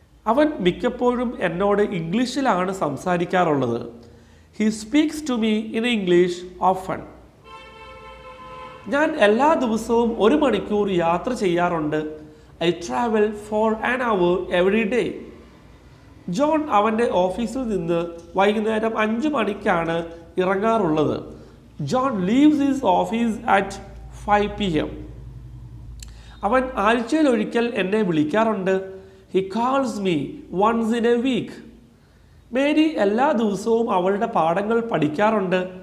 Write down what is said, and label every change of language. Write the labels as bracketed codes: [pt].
[ml] അവൻ മിക്കപ്പോഴും എന്നോട് ഇംഗ്ലീഷിലാണ് സംസാരിക്കാറുള്ളത്. [en] He speaks to me in English often. [ml] ഞാൻ എല്ലാ ദിവസവും ഒരു മണിക്കൂർ യാത്ര ചെയ്യാറുണ്ട്. [en] I travel for an hour every day. [ml] John അവൻ്റെ ഓഫീസിൽ നിന്ന് വൈകുന്നേരം 5 മണിക്കാണ് ഇറങ്ങാറുള്ളത്. [en] John leaves his office at 5 PM. [ml] അവൻ ആഴ്ചയിലൊരിക്കൽ എന്നെ വിളിക്കാറുണ്ട്. [en] He calls me once in a week. [ml] Mary എല്ലാ ദിവസവും അവളുടെ പാഠങ്ങൾ പഠിക്കാറുണ്ട്.